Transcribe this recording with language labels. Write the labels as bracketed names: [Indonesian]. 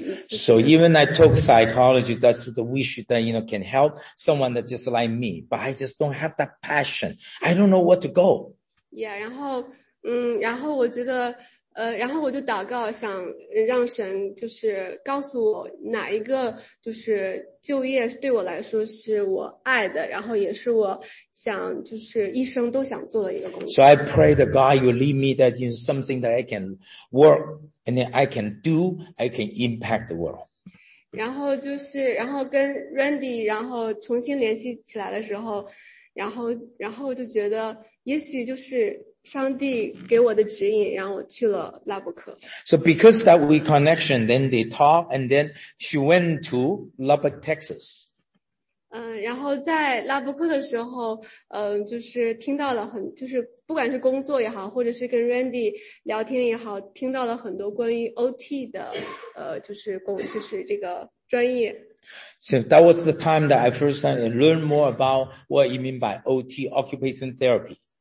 [English] So even I took psychology, that's the wish that, you know, can help someone that just like me, but I just don't have that passion. I don't know what to go. [Chinese] Yeah, 然后我觉得然后我就祷告，想让神就是告诉我哪一个就是就业对我来说是我爱的，然后也是我想就是一生都想做的一个工作。 [English] So I pray that God will lead me that in something that I can work and then I can do, I can impact the world. [Chinese] 然后跟 Randy 然后重新联系起来的时候，然后我就觉得也许就是上帝给我的指引，然后我去了拉伯克。 [English] So because that we connection, then they talk, and then she went to Lubbock, Texas. [Chinese] 然后在拉伯克的时候，就是听到了很，就是不管是工作也好，或者是跟 Randy 聊天也好，听到了很多关于 OT 的，就是这个专业。 [English] So that was the time that I first learned more about what you mean by OT, occupational therapy.